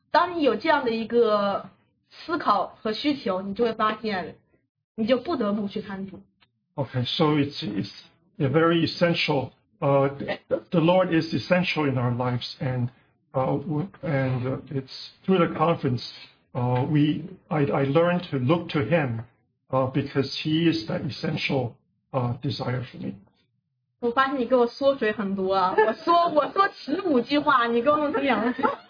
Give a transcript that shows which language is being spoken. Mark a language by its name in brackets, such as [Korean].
[Chinese] 当你有这样的一个思考和需求，你就会发现你就不得不去看主。 [English] Okay, so it's a very essential, the Lord is essential in our lives, and it's through the conference, I learned to look to him, because he is that essential, desire for me. [Chinese] 我发现你给我缩水很多啊，我说十五句话，你给我弄成两句。